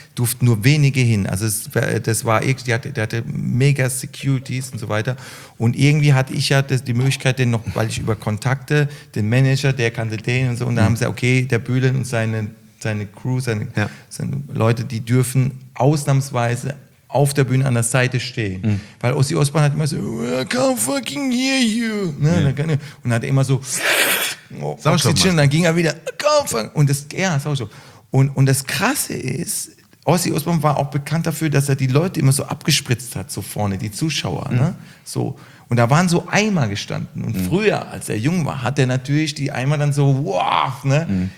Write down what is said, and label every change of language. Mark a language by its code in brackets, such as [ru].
[de] Durfte nur wenige hin. Also das war, der hatte mega Securities und so weiter. Und irgendwie hatte ich ja die Möglichkeit, den noch, weil ich über Kontakte, den Manager, der kannte den und so. Und da haben sie, okay, der Bühlen und seine Crew, seine Leute, die dürfen ausnahmsweise auf der Bühne an der Seite stehen. Weil Ozzy Osbourne hat immer so, [en] I can't fucking hear you. Ne? Yeah. [de] Und hat immer so, und dann ging er wieder, und das Krasse ist, Ozzy Osbourne war auch bekannt dafür, dass er die Leute immer so abgespritzt hat, so vorne, die Zuschauer. Ne? So. Und da waren so Eimer gestanden. Und früher, als er jung war, hat er natürlich die Eimer dann so, wow, ne?